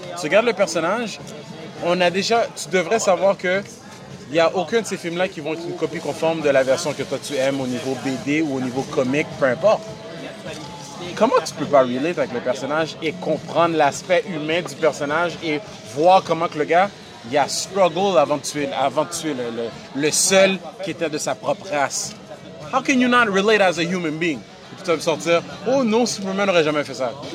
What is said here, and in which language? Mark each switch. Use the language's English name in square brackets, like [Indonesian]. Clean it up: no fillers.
[French] Tu regardes le personnage, tu devrais savoir que il n'y a aucun de ces films-là qui vont être une copie conforme de la version que toi tu aimes au niveau BD ou au niveau comique, peu importe. Comment tu peux pas relate avec le personnage et comprendre l'aspect humain du personnage et voir comment que le gars, il a struggle avant de tuer le seul qui était de sa propre race? [English] How can you not relate as a human being? [French] Tu vas me sortir, oh non, Superman n'aurait jamais fait ça.